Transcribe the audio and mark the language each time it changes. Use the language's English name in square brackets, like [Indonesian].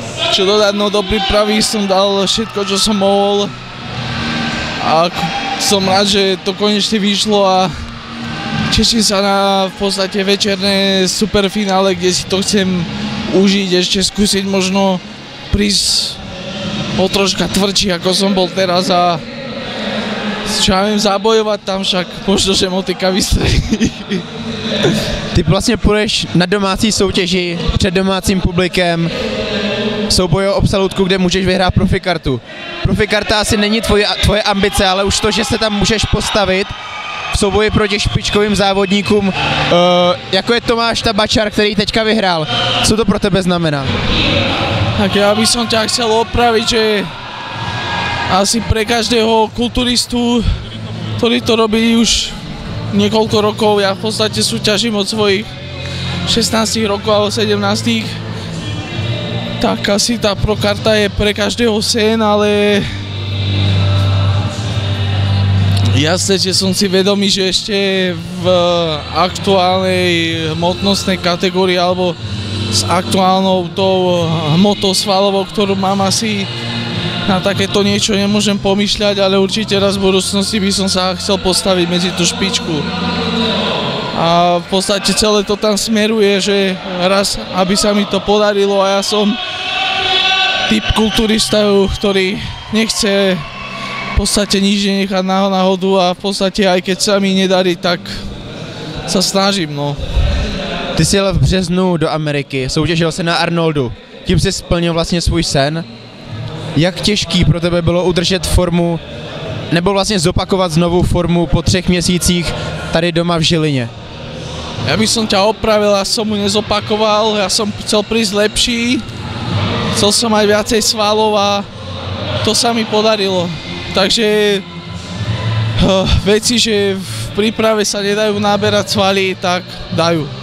[Slovak] čo dodať, no do prípravy som dal všetko, čo som mohol a som rád, že to konečne vyšlo a teším sa na v podstate večerné superfinále, kde si to chcem užiť, ešte skúsiť možno prísť o troška tvrdší, ako som bol teraz a čo ja viem, zabojovať tam však, možno, že motika vystrelí. [Czech] Ty vlastne půjdeš na domácí soutěži před domácím publikem, souboj o absolutku, kde můžeš vyhrát profikartu. Profikarta asi není tvoje ambice, ale už to, že se tam můžeš postavit v souboji proti špičkovým závodníkům, jako je Tomáš Tabačar, který teďka vyhrál. Co to pro tebe znamená? [Slovak] Tak já bych som ťa chcel opravit, že asi pre každého kulturistu, ktorý to robí už niekoľko rokov, ja v podstate súťažím od svojich 16 rokov alebo 17, tak asi tá prokarta je pre každého sen, ale jasné, že som si vedomý, že ešte v aktuálnej hmotnostnej kategórii alebo s aktuálnou tou hmotou svalovou, ktorú mám, asi na takéto niečo nemôžem pomýšľať, ale určite raz v budúcnosti by som sa chcel postaviť medzi tú špičku. A v podstate celé to tam smeruje, že raz, aby sa mi to podarilo a ja som typ kulturista, ktorý nechce v podstate nič nechať na náhodu a v podstate aj keď sa mi nedarí, tak sa snažím, no. [Czech] Ty si jel v březnu do Ameriky, soutěžil se na Arnoldu, tím si splnil vlastně svůj sen. Jak těžký pro tebe bylo udržet formu, nebo vlastně zopakovat znovu formu po třech měsících tady doma v Žilině? [Slovak] Já bych som ťa opravil, já som mu nezopakoval, já som chcel prísť lepší, chcel som aj viacej svalov a to sa mi podarilo. Takže veci, že v príprave sa nedajú naberať svaly, tak dajú.